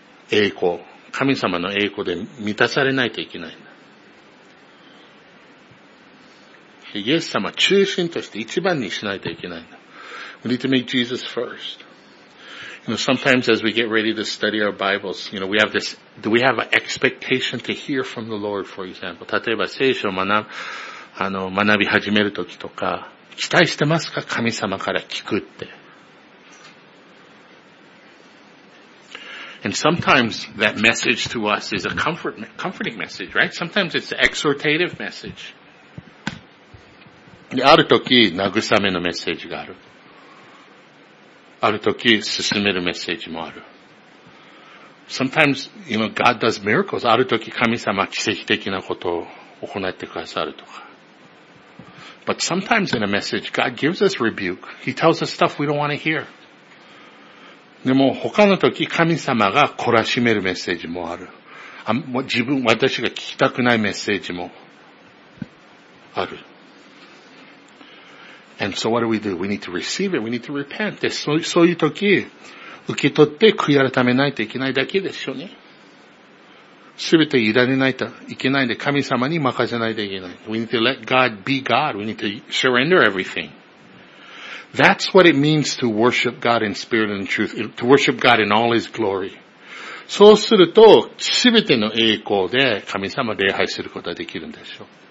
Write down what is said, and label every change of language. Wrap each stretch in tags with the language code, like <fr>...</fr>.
<ja>栄光、神様の栄光で満たされないといけないんだ。イエス様中心として一番にしないといけないんだ。</ja> <en>We need to make Jesus first. You know, sometimes as we get ready to study our Bibles, you know, do we have an expectation to hear from the Lord, for example?</en> <ja>例えば聖書を学び始めるときとか、期待してますか？神様から聞くって。</ja> <en>And sometimes that message to us is a comforting message, right? Sometimes it's an exhortative message.</en> <ja>で、ある時、慰めのメッセージがある。ある時、進めるメッセージもある。</ja> <en>Sometimes, you know, God does miracles.</en> <ja>ある時、神様は奇跡的なことを行ってくださるとか。</ja> <en>But sometimes in a message, God gives us rebuke. He tells us stuff we don't want to hear.</en> <ja>でも、他の時、神様が懲らしめるメッセージもある。自分、私が聞きたくないメッセージもある。</ja> <en>And so what do? We need to receive it. We need to repent.</en> <ja>で、そういう時、受け取って悔い改めないといけないだけですよね。すべて委ねないといけないで、神様に任せないといけない。</ja> <en>We need to let God be God. We need to surrender everything. That's what it means to worship God in spirit and truth. To worship God in all His glory.</en> <ja>そうすると、すべての栄光で神様を礼拝することができるんでしょう。</ja>